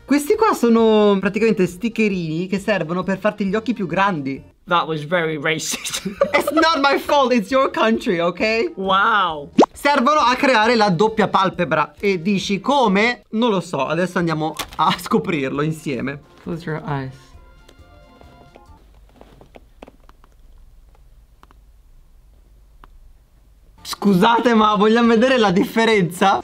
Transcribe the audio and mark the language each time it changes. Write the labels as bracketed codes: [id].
[it] Questi qua sono praticamente stickerini che servono per farti gli occhi più grandi. [en] That was very racist. It's not my fault, it's your country, ok? Wow. [it] Servono a creare la doppia palpebra. E dici come? Non lo so, adesso andiamo a scoprirlo insieme. [en] Close your eyes. [it] Scusate, ma vogliamo vedere la differenza?